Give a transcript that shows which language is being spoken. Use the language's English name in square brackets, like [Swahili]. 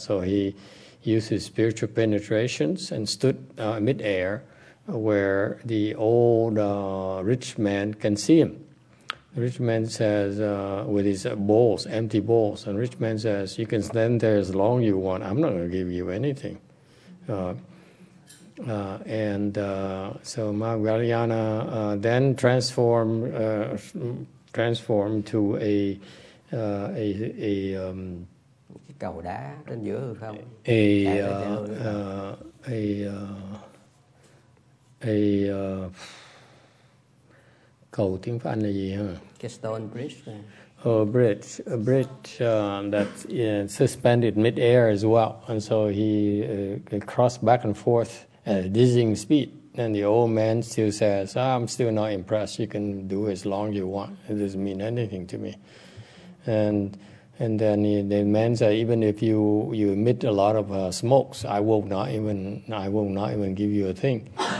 [English] So he used his spiritual penetrations and stood midair where the old rich man can see him. The rich man says, with his balls, empty balls, and rich man says, you can stand there as long as you want. I'm not going to give you anything. So Mahavalyana then transformed to [Vietnamese] cầu tiếng Anh là gì hả? [English] Stone bridge. A bridge that's suspended mid-air as well. And so he crossed back and forth at a dizzying speed. And the old man still says, I'm still not impressed. You can do as long as you want. It doesn't mean anything to me. And then the man said, even if you emit a lot of smokes, I will not even give you a thing.